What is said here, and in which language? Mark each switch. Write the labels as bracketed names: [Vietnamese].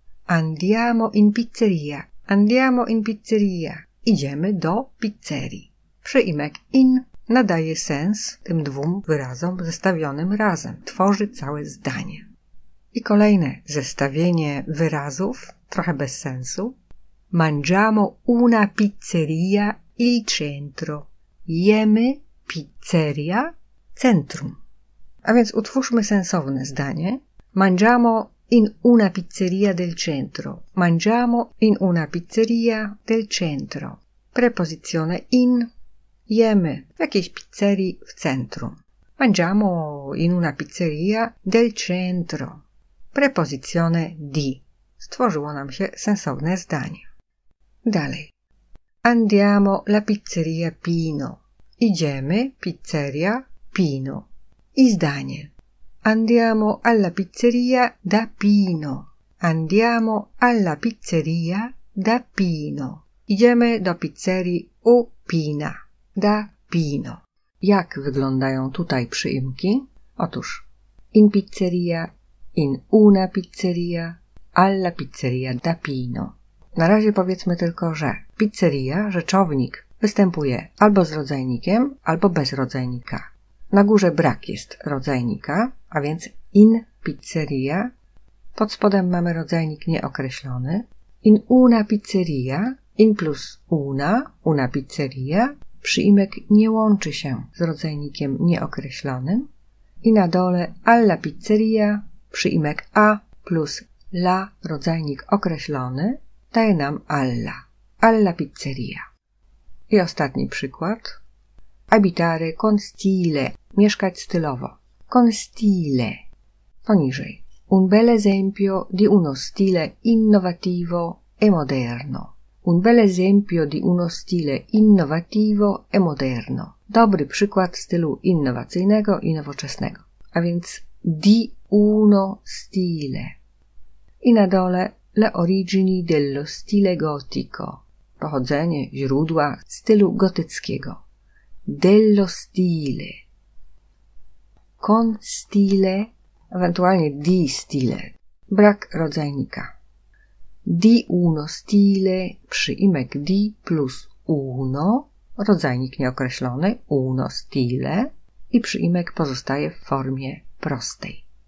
[Italian] Andiamo in pizzeria. Andiamo in pizzeria. [Polish] Idziemy do pizzerii. Przyimek in nadaje sens tym dwóm wyrazom zestawionym razem. Tworzy całe zdanie. I kolejne zestawienie wyrazów, trochę bez sensu. [Italian] Mangiamo una pizzeria il centro. [Polish] Jemy pizzeria centrum. A więc utwórzmy sensowne zdanie. [Italian] Mangiamo in una pizzeria del centro. Mangiamo in una pizzeria del centro. [Polish] Prepozycjone in. Jemy w jakiejś pizzerii w centrum. [Italian] Mangiamo in una pizzeria del centro. Prepozycjone di. [Polish] Stworzyło nam się sensowne zdanie. Dalej. [Italian] Andiamo la pizzeria Pino. [Polish] Idziemy pizzeria Pino. I zdanie. [Italian] Andiamo alla pizzeria da Pino. Andiamo alla pizzeria da Pino. [Polish] Idziemy do pizzerii u Pina. Da Pino. Jak wyglądają tutaj przyimki? Otóż. [Italian] In pizzeria, in una pizzeria, alla pizzeria da Pino. [Polish] Na razie powiedzmy tylko, że pizzeria, rzeczownik, występuje albo z rodzajnikiem, albo bez rodzajnika. Na górze brak jest rodzajnika, a więc in pizzeria. Pod spodem mamy rodzajnik nieokreślony. [Italian] In una pizzeria, in plus una pizzeria. [Polish] Przyimek nie łączy się z rodzajnikiem nieokreślonym. I na dole alla pizzeria, przyimek a plus la, rodzajnik określony, daje nam alla. [Italian] Alla pizzeria. [Polish] I ostatni przykład. [Italian] Abitare con stile. [Polish] Mieszkać stylowo. [Italian] Con stile. [Polish] Poniżej. [Italian] Un bel esempio di uno stile innovativo e moderno. Un bel esempio di uno stile innovativo e moderno. [Polish] Dobry przykład stylu innowacyjnego i nowoczesnego. A więc di uno stile. I na dole [Italian] le origini dello stile gotico. [Polish] Pochodzenie, źródła stylu gotyckiego. [Italian] Dello stile. Con stile, [Polish] ewentualnie [Italian] di stile, [Polish] brak rodzajnika. [Italian] Di uno stile, [Polish] przyimek di plus uno, rodzajnik nieokreślony, [Italian] uno stile, [Polish] i przyimek pozostaje w formie prostej.